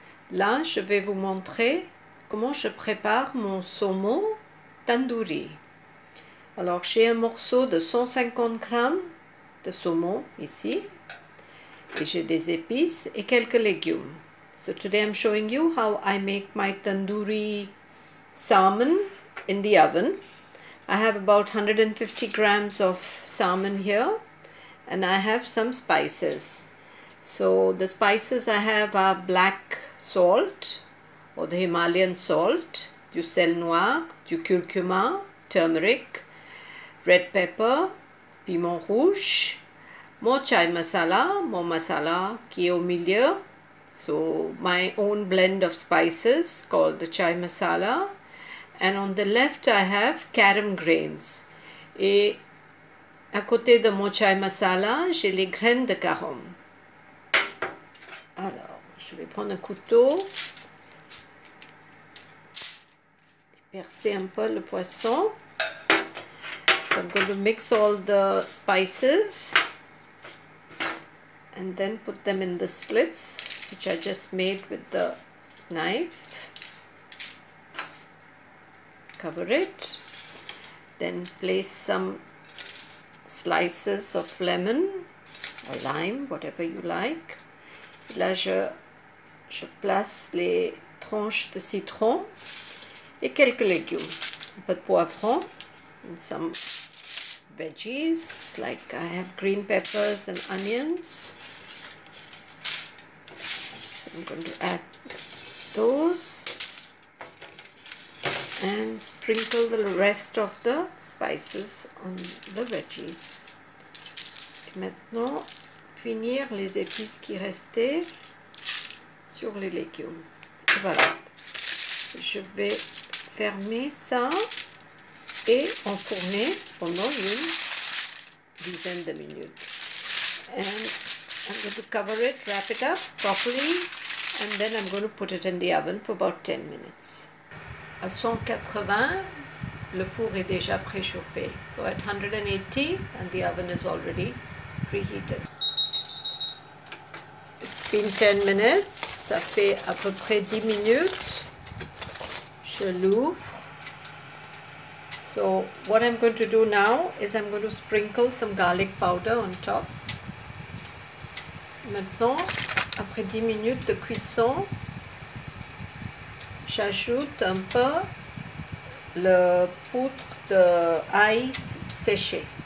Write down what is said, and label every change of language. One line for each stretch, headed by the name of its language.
French: Là, je vais vous montrer comment je prépare mon somo tandoori. Alors, j'ai un morceau de 150 g de saumon ici. Et j'ai des épices et quelques légumes.
English: So, today I'm showing you how I make my tandoori salmon in the oven. I have about 150 grams of salmon here. And I have some spices. So the spices I have are black salt or the Himalayan salt,
French: du sel noir, du curcuma,
English: turmeric, red pepper,
French: piment rouge, mon chai masala, mon masala qui est au milieu.
English: So my own blend of spices called the chai masala. And on the left I have carom grains.
French: Et à côté de mon chai masala, j'ai les graines de carom. Alors, je vais prendre un couteau et percer un peu le poisson.
English: So I'm going to mix all the spices and then put them in the slits which I just made with the knife. Cover it. Then place some slices of lemon or lime, whatever you like.
French: Là, je place les tranches de citron et quelques légumes. Un peu de poivron,
English: and some veggies, like I have green peppers and onions. So I'm going to add those and sprinkle the rest of the spices on the veggies.
French: Et maintenant, finir les épices qui restaient sur les légumes. Et voilà. Je vais fermer ça et enfourner pendant une dizaine de minutes.
English: And I'm going to cover it, wrap it up properly, and then I'm going to put it in the oven for about 10 minutes.
French: À 180, le four est déjà préchauffé.
English: So at 180, and the oven is already preheated. It's been 10 minutes,
French: ça fait à peu près 10 minutes. Je l'ouvre.
English: So, what I'm going to do now is I'm going to sprinkle some garlic powder on top.
French: Maintenant, après 10 minutes de cuisson, j'ajoute un peu le poudre d'ail séché.